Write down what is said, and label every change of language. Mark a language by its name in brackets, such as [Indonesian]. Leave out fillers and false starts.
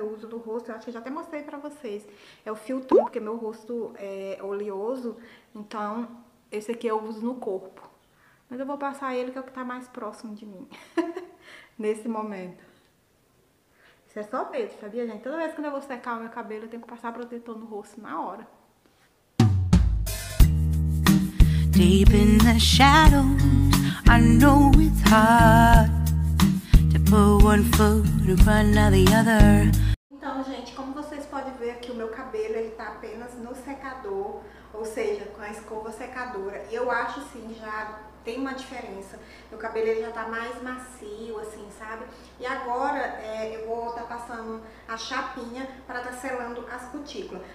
[Portuguese] Eu uso no rosto, eu acho que eu já até mostrei pra vocês. É o Filtrum, porque meu rosto é oleoso, então esse aqui eu uso no corpo. Mas eu vou passar ele que é o que tá mais próximo de mim, nesse momento. Isso é só medo, sabia, gente? Toda vez que eu vou secar o meu cabelo, eu tenho que passar protetor no rosto na hora. [English] Deep in the shadows, I know it's hard to put one foot in front of the other. [Portuguese] Então, gente, como vocês podem ver aqui, o meu cabelo, ele tá apenas no secador, ou seja, com a escova secadora. E eu acho, sim, já tem uma diferença. Meu cabelo ele já tá mais macio, assim, sabe? E agora eu vou estar passando a chapinha para estar selando as cutículas.